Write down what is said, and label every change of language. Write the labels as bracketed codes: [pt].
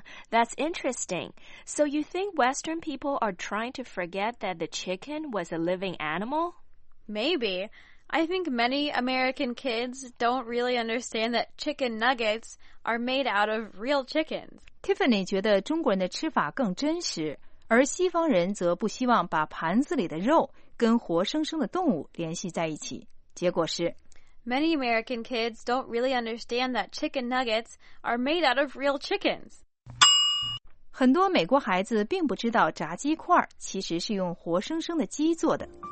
[en] That's interesting. So you think Western people are trying to forget that the chicken was a living animal? Maybe. I think many American kids don't really understand that chicken nuggets are made out of real chickens. [zh] Tiffany 觉得中国人的吃法更真实，而西方人则不希望把盘子里的肉跟活生生的动物联系在一起。结果是 [en] Many American kids don't really understand that chicken nuggets are made out of real chickens. [zh] 很多美国孩子并不知道炸鸡块其实是用活生生的鸡做的。